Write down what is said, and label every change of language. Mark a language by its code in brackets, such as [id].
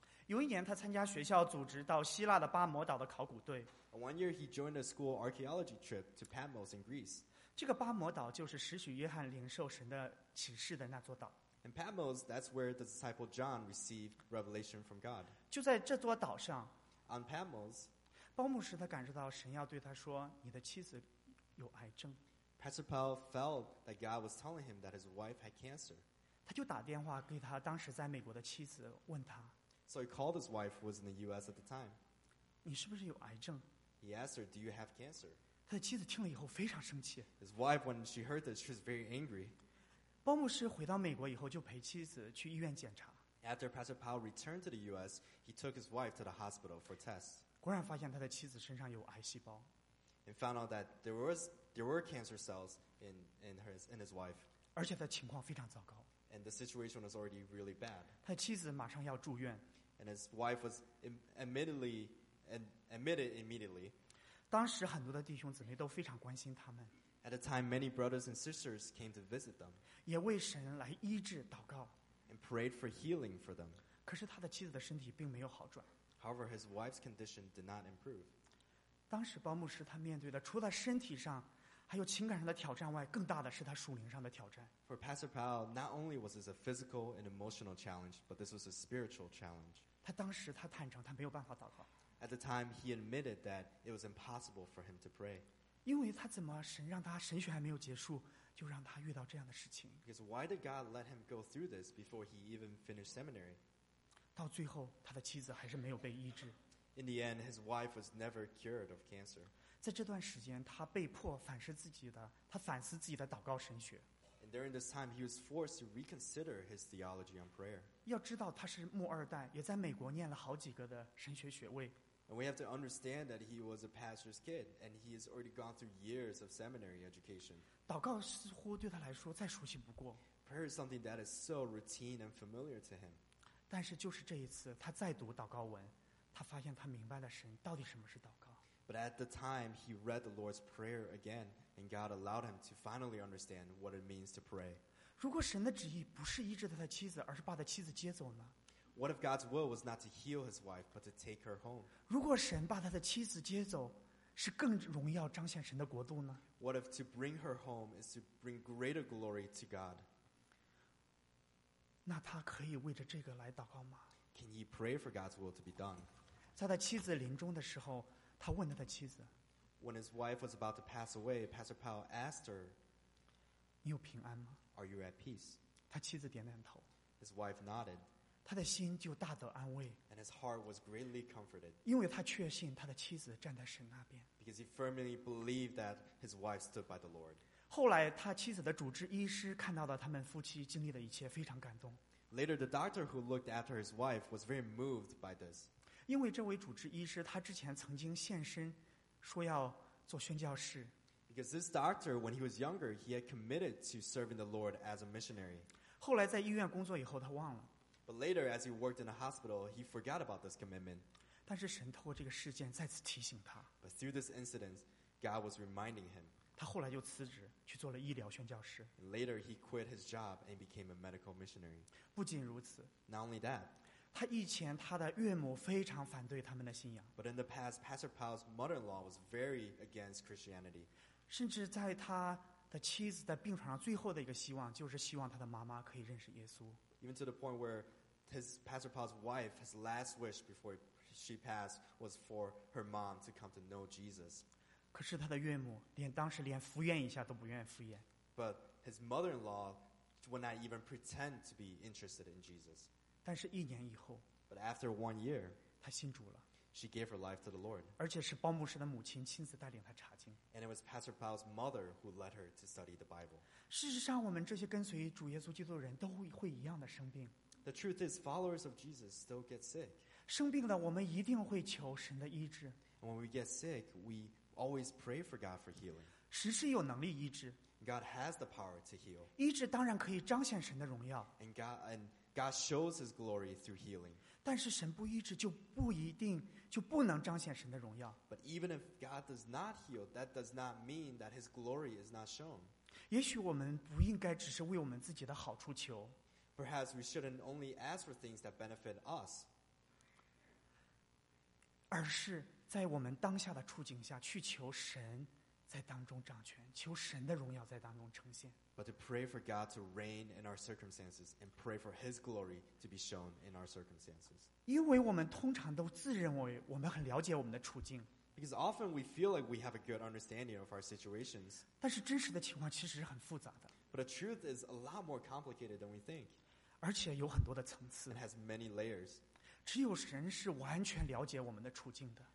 [zh] 有一年他参加学校组织到希腊的巴摩岛的考古队。 [en] One year he joined a school archaeology trip to Patmos in Greece. [zh] 这个巴摩岛就是使徒约翰领受神的启示的那座岛。 [en] And Patmos, that's where the disciple John received revelation from God. [zh] 就在这座岛上。 [en] On Patmos, [zh] 包牧师他感受到神要对他说，你的妻子有癌症。 [en] Pastor Powell felt that God was telling him that his wife had cancer. [zh] 他就打电话给他当时在美国的妻子问他。 [en] So he called his wife, who was in the U.S. at the time. [zh] 你是不是有癌症？ [en] He asked her, do you have cancer? [zh] 他的妻子听了以后非常生气。 [en] His wife, when she heard this, she was very angry. [zh] 包牧师回到美国以后就陪妻子去医院检查。 [en] After Pastor Powell returned to the U.S., he took his wife to the hospital for tests. [zh] 果然发现他的妻子身上有癌细胞。 [en] and found out that there were cancer cells in his wife. [zh] 而且他情况非常糟糕。 [en] And the situation was already really bad. [zh] 他妻子马上要住院。 [en] And his wife was admitted immediately. [zh] 当时很多的弟兄姊妹都非常关心他们。 [en] At the time, many brothers and sisters came to visit them. [zh] 也为神来医治祷告。 [en] And prayed for healing for them. [zh] 可是他的妻子的身体并没有好转。 [en] However, his wife's condition did not improve. [zh] 当时包牧师他面对的除了身体上还有情感上的挑战外，更大的是他属灵上的挑战。 [en] For Pastor Powell, not only was this a physical and emotional challenge, but this was a spiritual challenge. [zh] 他当时他坦诚，他没有办法祷告。 [en] At the time, he admitted that it was impossible for him to pray. [zh] 因为他怎么神让他神学还没有结束，就让他遇到这样的事情 [en] ？Because why did God let him go through this before he even finished seminary? [zh] 到最后，他的妻子还是没有被医治。 [en] In the end, his wife was never cured of cancer. [zh] 在这段时间，他被迫反思自己的，他反思自己的祷告神学。 [en] And during this time, he was forced to reconsider his theology on prayer. [zh] 要知道他是穆二代，也在美国念了好几个的神学学位。 [en] And we have to understand that he was a pastor's kid, and he has already gone through years of seminary education. [zh] 祷告似乎对他来说再熟悉不过。 [en] Prayer is something that is so routine and familiar to him. [zh] 但是就是这一次，他再读祷告文。他发现他明白了神到底什么是祷告。 [en] But at the time, he read the Lord's Prayer again, and God allowed him to finally understand what it means to pray. [zh] 如果神的旨意不是医治他的妻子，而是把他妻子接走呢 [en] ？What if God's will was not to heal his wife, but to take her home? [zh] 如果神把他的妻子接走，是更荣耀彰显神的国度呢 [en] ？What if to bring her home is to bring greater glory to God? [zh] 那他可以为着这个来祷告吗 [en] ？Can he pray for God's will to be done? [zh] 在他妻子临终的时候，他问他的妻子 [en] ：“When his wife was about to pass away, Pastor Powell asked her, [zh] '你有平安吗 [en] ？’Are you at peace？” [zh] 他妻子点点头。 [en] His wife nodded. [zh] 他的心就大得安慰。 [en] And his heart was greatly comforted. [zh] 因为他确信他的妻子站在神那边。 [en] Because he firmly believed that his wife stood by the Lord. [zh] 后来，他妻子的主治医师看到了他们夫妻经历的一切，非常感动。 [en] Later, the doctor who looked after his wife was very moved by this. [zh] 因为这位主治医师他之前曾经献身说要做宣教士 [en] Because this doctor, when he was younger, he had committed to serving the Lord as a missionary. [zh] 后来在医院工作以后他忘了 [en] But later, as he worked in a hospital, he forgot about this commitment. [zh] 但是神透过这个事件再次提醒他 [en] But through this incident, God was reminding him. [zh] 他后来就辞职去做了医疗宣教士 [en] Later, he quit his job and became a medical missionary. [zh] 不仅如此 [en] Not only that, [zh] 他以前他的岳母非常反对他们的信仰。 [en] But in the past, Pastor Powell's mother-in-law was very against Christianity. [zh] 甚至在他的妻子的病床上最后的一个希望，就是希望他的妈妈可以认识耶稣。 [en] Even to the point where Pastor Powell's wife, his last wish before she passed, was for her mom to come to know Jesus. [zh] 可是他的岳母连当时连敷衍一下都不愿意敷衍。 [en] But his mother-in-law would not even pretend to be interested in Jesus. [zh] 但是一年以后 [en] ，But after one year， [zh] 她信主了 [en] ，She gave her life to the Lord， [zh] 而且是包牧师的母亲亲自带领她查经 [en] ，And it was Pastor Powell's mother who led her to study the Bible。 [zh] 事实上，我们这些跟随主耶稣基督的人都会一样的生病 [en] ，The truth is followers of Jesus still get sick。 [zh] 生病了，我们一定会求神的医治 [en] ，And when we get sick， we always pray for God for healing。 [zh] 神是有能力医治 [en] ，God has the power to heal。 [zh] 医治当然可以彰显神的荣耀 [en] God shows his glory through healing. [zh] 但是神不医治就不一定就不能彰显神的荣耀。 [en] But even if God does not heal, that does not mean that his glory is not shown. [zh] 也许我们不应该只是为我们自己的好处求。 [en] Perhaps we shouldn't only ask for things that benefit us. [zh] 而是在我们当下的处境下去求神在当中掌权，求神的荣耀在当中呈现。 [en] But to pray for God to reign in our circumstances and pray for His glory to be shown in our circumstances. [zh] 因为我们通常都自认为我们很了解我们的处境。 [en] Because often we feel like we have a good understanding of our situations. [zh] 但是真实的情况其实是很复杂的。 [en] But the truth is a lot more complicated than we think. [zh] 而且有很多的层次。 [en] It has many layers. [zh] 只有神是完全了解我们的处境的。